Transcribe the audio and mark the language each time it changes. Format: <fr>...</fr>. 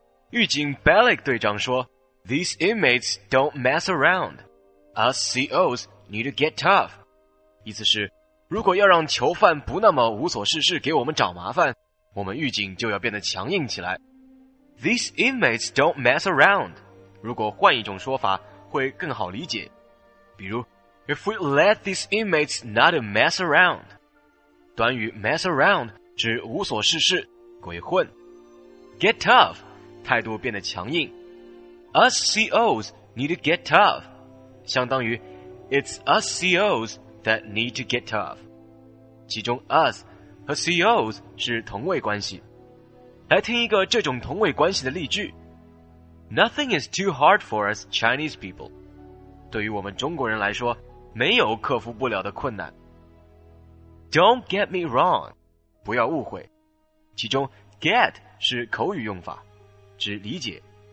<zh>狱警 Balik 队长说</zh> <en>these inmates don't mess around， us COs need to get tough</en> <zh>意思是，如果要让囚犯不那么无所事事给我们找麻烦，我们狱警就要变得强硬起来。</zh> <en>These inmates don't mess around.</en> <zh>如果换一种说法会更好理解。比如</zh> <en>If we let these inmates not to mess around.</en> <zh>短语 mess around 指无所事事，鬼混。</zh> <en>Get tough,</en> <zh>态度变得强硬。</zh> <en>Us COs need to get tough.</en> <zh>相当于</zh> <en>It's us COs that need to get tough.</en> <zh>其中 us 和 COs 是同位关系。来听一个这种同位关系的例句。</zh> <en>Nothing is too hard for us Chinese people.</en> <zh>对于我们中国人来说，没有克服不了的困难。</zh> <en>Don't get me wrong.</en> <zh>不要误会。其中 get 是口语用法，指理解。</zh>